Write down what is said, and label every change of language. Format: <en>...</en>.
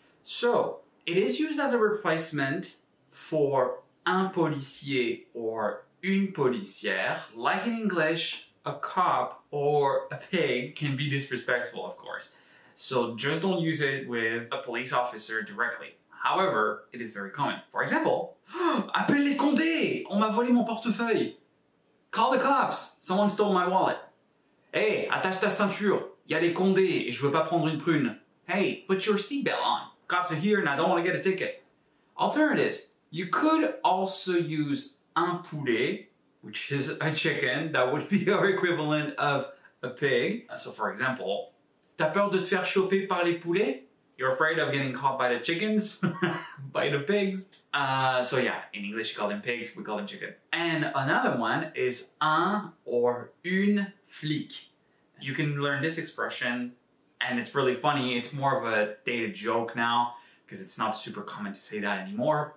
<en>So it is used as a replacement for un policier or une policière. Like in English, a cop or a pig can be disrespectful, of course. So just don't use it with a police officer directly. However, it is very common. For example,</en> <fr>appelle les Condé, on m'a volé mon portefeuille.</fr> <en>Call the cops, someone stole my wallet.</en> <fr>Hey, attache ta ceinture, y a les Condé et je veux pas prendre une prune.</fr> <en>Hey, put your seatbelt on. Cops are here and I don't want to get a ticket. Alternative, you could also use un poulet, which is a chicken, that would be our equivalent of a pig. So for example,</en> <fr>t'as peur de te faire choper par les poulets?</fr> <en>You're afraid of getting caught by the chickens, by the pigs. So yeah, in English you call them pigs, we call them chicken. And another one is un or une flic. You can learn this expression and it's really funny. It's more of a dated joke now because it's not super common to say that anymore.</en>